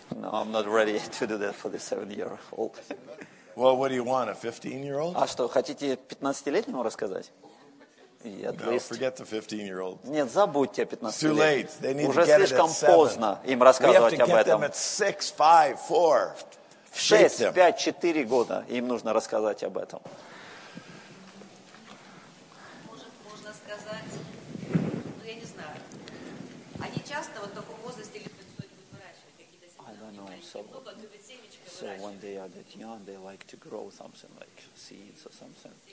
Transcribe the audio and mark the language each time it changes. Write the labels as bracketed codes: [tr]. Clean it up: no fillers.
[en] No, I'm not ready to do that for the 7-year-old. Well, what do you want, a 15-year-old? [ru] А что, хотите 15-летнему рассказать? [en] No, forget the 15-year-old. [ru] Нет, забудьте о 15-летнем. [en] Too late. They need [ru] Уже [en] to get [ru] слишком [en] it at [ru] поздно им рассказывать об этом. [en] We have to get them at 6, 5, 4. [ru] В 6, 5, 4 года им нужно рассказать об этом. Может, можно сказать, ну, я не знаю. Они часто вот в таком возрасте любят что-нибудь выращивать, какие-то семена. Кто-то любит семечко выращивать. [en] So when they are that young, they like to grow something, like seeds or something.